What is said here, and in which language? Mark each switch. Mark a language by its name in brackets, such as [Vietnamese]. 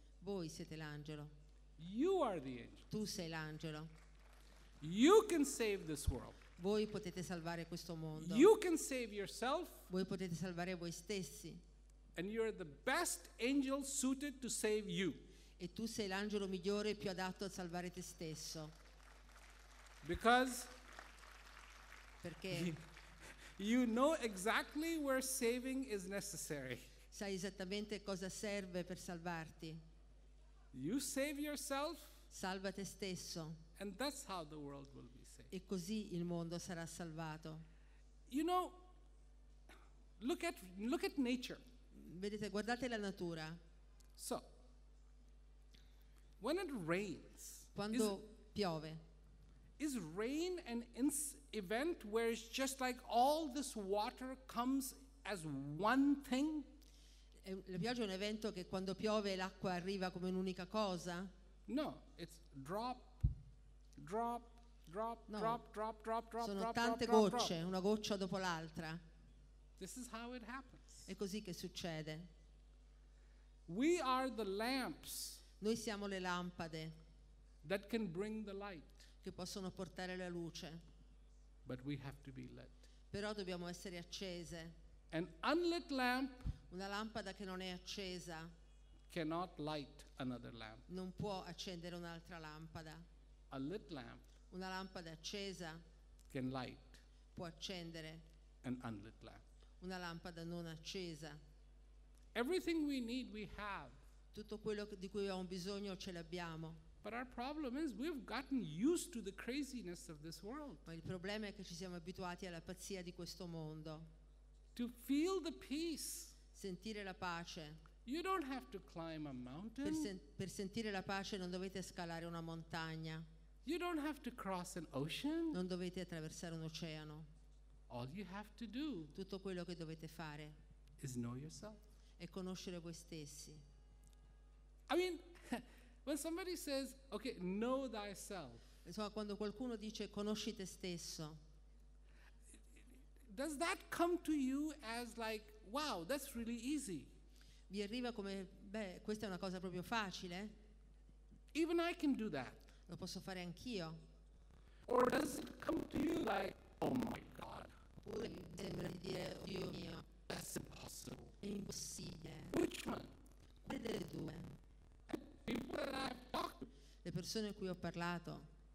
[Italian] Voi siete l'angelo. [English] You are the angel. [Italian] Tu sei l'angelo. [English] You can save this world. [Italian] Voi potete salvare questo mondo. [English] You can save yourself. [Italian] Voi potete salvare voi stessi. [English] And you are the best angel suited to save you. [Italian] E tu sei l'angelo migliore e più adatto a salvare te stesso. [English] Because [Italian] perché [English] you know exactly where saving is necessary. [Italian] Sai esattamente cosa serve per salvarti. [English] You save yourself. [Italian] Salva te stesso. [English] And that's how the world will be saved. [Italian] E così il mondo sarà salvato. [English] You know, look at nature. [Italian] Vedete, guardate la natura. [English] So, When it rains, [Italian] quando piove, [English] is rain an event where it's just like all this water comes as one thing? [Italian] La pioggia è un evento che quando piove l'acqua arriva come un'unica cosa? [English] No, it's drop, drop, drop, no. Drop, drop, drop, drop. [Italian] Sono [English] drop, [Italian] tante [English] drop, [Italian] gocce, [English] drop. [Italian] Una goccia dopo l'altra. [English] This is how it happens. [Italian] È così che succede. [English] We are the lamps. [Italian] Noi siamo le lampade. [English] That can bring the light. [Italian] Che possono portare la luce. [English] But we have to be lit. [Italian] Però dobbiamo essere accese. [English] An unlit lamp. [Italian] Una lampada che non è accesa. [English] Cannot light another lamp. [Italian] Non può accendere un'altra lampada. [English] A lit lamp. [Italian] Una lampada accesa. [English] Can light. [Italian] Può accendere. [English] An unlit lamp. [Italian] Una lampada non accesa. [English] Everything we need, we have. [Italian] Tutto quello di cui abbiamo bisogno ce l'abbiamo. [English] But our problem is we've gotten used to the craziness of this world. [Italian] Ma il problema è che ci siamo abituati alla pazzia di questo mondo. [English] To feel the peace. [Italian] Sentire la pace. [English] You don't have to climb a mountain. [Italian] Per sentire la pace non dovete scalare una montagna. [English] You don't have to cross an ocean. [Italian] Non dovete attraversare un oceano. [English] All you have to do. [Italian] Tutto quello che dovete fare. [English] Is know yourself. [Italian] È conoscere voi stessi. [English] I mean, when somebody says, okay, know thyself. [Italian] Insomma, quando qualcuno dice conosci te stesso. [English] Does that come to you as like, wow, that's really easy? [Italian] Vi arriva come, beh, questa è una cosa proprio facile? [English] Even I can do that. [Italian] Lo posso fare anch'io. [English] Or does it come to you like, oh my God. [Italian] Oppure sembra di dire, oh Dio mio. [English] That's impossible. [Italian] È impossibile. [English] Which one? [Italian] Quale delle due? [English] People that I've talked to. [Italian] Le persone a cui ho parlato.